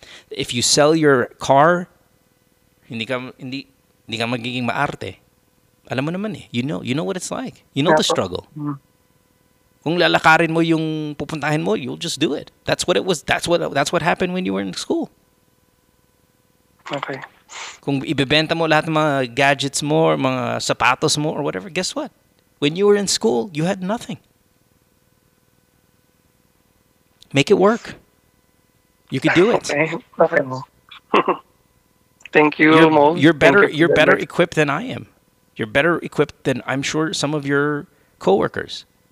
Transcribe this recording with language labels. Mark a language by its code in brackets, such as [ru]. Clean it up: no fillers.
[en] If you sell your car, [tl] hindi ka magiging maarte. Alam mo naman eh. [en] You know what it's like. You know the struggle. [tl] Kung lalakarin mo yung pupuntahin mo, [en] you'll just do it. That's what happened when you were in school. Okay. [tl] Kung ibebenta mo lahat ng mga gadgets mo, mga sapatos mo [en] or whatever, guess what? When you were in school, you had nothing. Make it work. You could do it. Okay. Thank you, Mo. You're better equipped than I am. You're better equipped than I'm sure some of your coworkers.